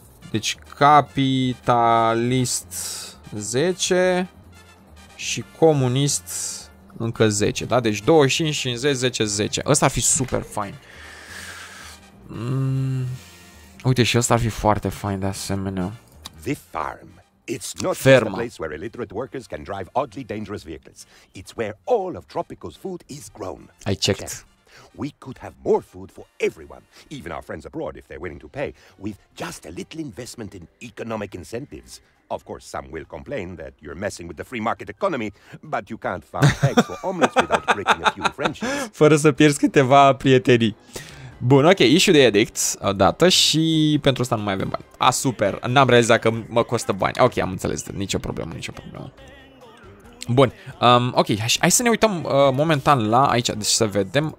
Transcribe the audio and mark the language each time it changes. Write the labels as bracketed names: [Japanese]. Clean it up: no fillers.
[Romanian] Deci capitalist 10 și comunist încă 10, da? Deci 25, 50, 10, 10. Ăsta ar fi super fain. Uite, și ăsta ar fi foarte fain de asemenea. [English] The farm. It's not just a place where illiterate workers can drive oddly dangerous vehicles. It's where all of Tropico's food is grown. I checked. We could have more food for everyone, even our friends abroad if they're willing to pay, with just a little investment in economic incentives. Of course, some will complain that you're messing with the free market economy, but you can't farm eggs for omelets without breaking a few friendships. [Romanian] Fără să pierzi câteva prietenii. Bun, ok, issue the edict odată și pentru asta nu mai avem bani. Ah, super, n-am realizat că mă costă bani. Ok, am înțeles, nicio problemă, nicio problemă. Bun, ok, hai să ne uităm momentan la aici, deci să vedem.